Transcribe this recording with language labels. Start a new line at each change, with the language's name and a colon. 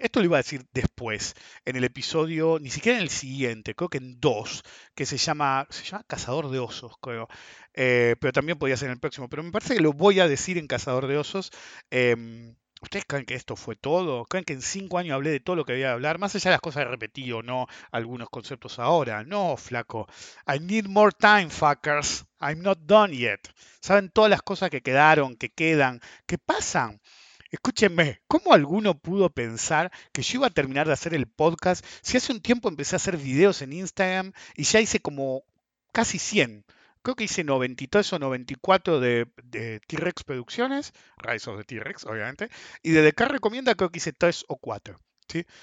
Spanish: Esto lo iba a decir después, en el episodio, ni siquiera en el siguiente, creo que en dos, que se llama Cazador de Osos, creo. Pero también podía ser en el próximo. Pero me parece que lo voy a decir en Cazador de Osos. ¿Ustedes creen que esto fue todo? ¿Creen que en 5 años hablé de todo lo que había de hablar? Más allá de las cosas que repetí o no, algunos conceptos ahora. No, flaco.
English: I need more time, fuckers. I'm not done yet.
Spanish: ¿Saben todas las cosas que quedaron, que quedan, que pasan? Escúchenme, ¿cómo alguno pudo pensar que yo iba a terminar de hacer el podcast si hace un tiempo empecé a hacer videos en Instagram y ya hice como casi 100? Creo que hice 93 o 94 de T-Rex Producciones, Rise of the T-Rex, obviamente, y de DK Recomienda creo que hice 3 o 4, ¿sí?